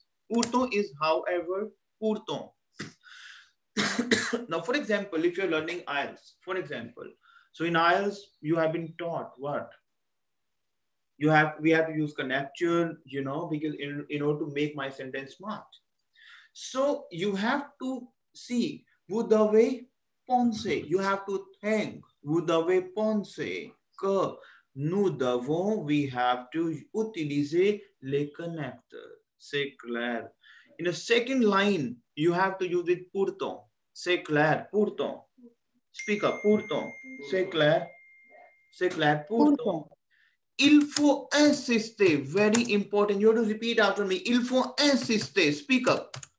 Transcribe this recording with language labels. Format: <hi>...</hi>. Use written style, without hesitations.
<fr>Pourtant is however, pourtant.</fr> <en>Now, for example, if you're learning IELTS, for example. So in IELTS, you have been taught what? We have to use connector, you know, because in order to make my sentence smart. So you have to see, would the way Ponce, you have to think.</en> <fr>Vous devez penser que nous devons,</fr> <en>we have to</en> <fr>utiliser les connecteurs. C'est clair.</fr> <en>In the second line, you have to use it pourtant.</en> <fr>C'est clair. Pourtant.</fr> <en>Speak up.</en> <fr>Pourtant. C'est clair. C'est clair. Pourtant. Il faut insister.</fr> <en>Very important. You have to repeat after me.</en> <fr>Il faut insister.</fr> <en>Speak up.</en>